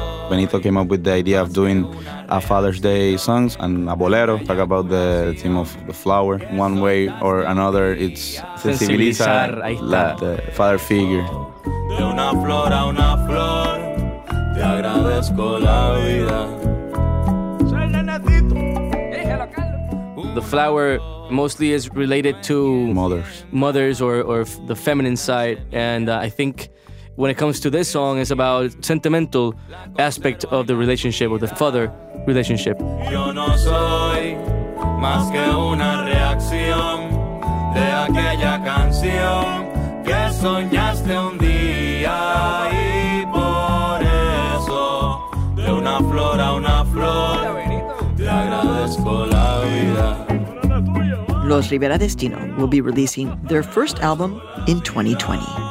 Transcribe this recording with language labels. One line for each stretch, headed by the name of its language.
English: Benito came up with the idea of doing a Father's Day song and a bolero, talk about the theme of the flower. One way or another, it's sensibilizar the father figure.
Spanish: De una flor a una flor, te agradezco la vida.
English: The flower mostly is related to mothers or the feminine side, and I think when it comes to this song, it's about sentimental aspect of the relationship or the father relationship.
Spanish: Yo no soy más que una reacción de aquella canción que soñaste un día, y por eso de una flor a una flor te agradezco la vida.
English: Los Rivera Destino will be releasing their first album in 2020.